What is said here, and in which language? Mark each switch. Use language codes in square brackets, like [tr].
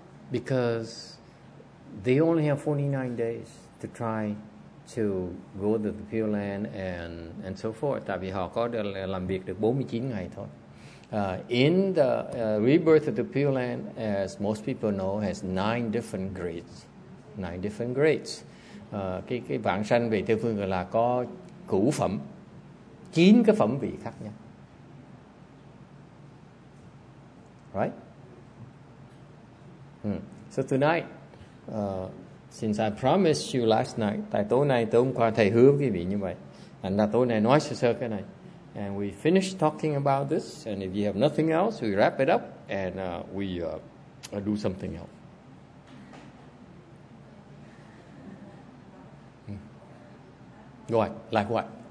[en] Because they only have 49 days to try to go to the Pure Land and so forth. [vi] Tại vì họ có được làm việc được 49 ngày thôi. [en] In the rebirth of the Pure Land, as most people know, has 9 different grades. 9 different grades. [vi] Cái vãng sanh về Tây Phương là có cửu phẩm, 9 cái phẩm vị khác nhau. [en] Right? So tonight, since I promised you last night, [vi] tại tối nay, tối hôm qua thầy hứa quý vị như vậy, anh đã tối nay nói sơ cái này. [en] And we finished talking about this, and if you have nothing else, we wrap it up, and we do something else. Go on. Like what?